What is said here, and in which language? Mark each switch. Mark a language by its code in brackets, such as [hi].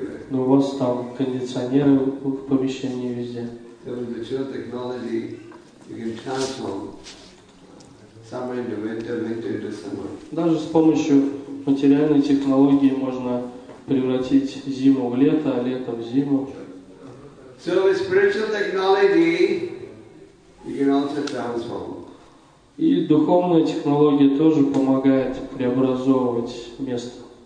[ru] Но у вас там кондиционеры в помещении везде. Даже с помощью материальной технологии можно превратить зиму в лето, а лето в зиму. [en] So with spiritual technology, you can also transform. [ru] И духовная технология тоже помогает преобразовывать место.